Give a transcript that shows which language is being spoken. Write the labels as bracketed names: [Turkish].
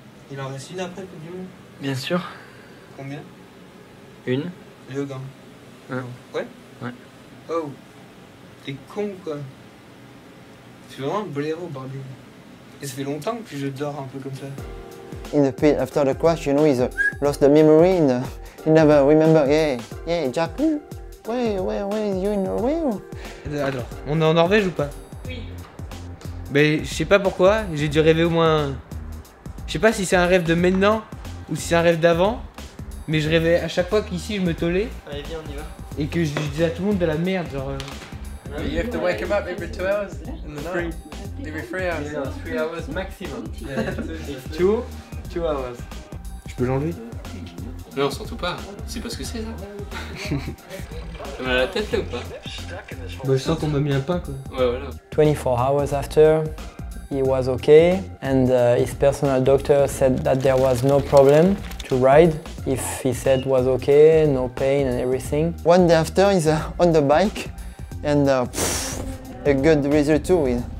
[French] Il en reste une après le Coupe du Monde. Bien sûr. Combien? Une. Leogang. Hein? Ouais. Ouais. Oh, t'es con quoi. C'est vraiment un blaireau, Barbie. Et ça fait longtemps que je dors un peu comme ça. [English] In the pit after the crash, you know, he's lost the memory. He never remember. Yeah, yeah, Jack. Where is you in Norway? [French] Alors, on est en Norvège ou pas? Mais je sais pas pourquoi, j'ai dû rêver au moins... Je sais pas si c'est un rêve de maintenant ou si c'est un rêve d'avant, mais je rêvais à chaque fois qu'ici je me tolais. Allez, viens, on y va. Et que je disais à tout le monde de la merde, genre... [English] You have to wake him up every 2 hours. In the night. Every 3 hours. Yeah, 3 hours maximum. Two hours. [French] Je peux l'enlever? Non, surtout pas. C'est pas ce que c'est, ça. Bah, je sens qu'on m'a mis un pain, quoi. Ouais, voilà. [English] 24 hours after, he was okay, and his personal doctor said that there was no problem to ride. If he said it was okay, no pain and everything. One day after, he's on the bike, and a good result too.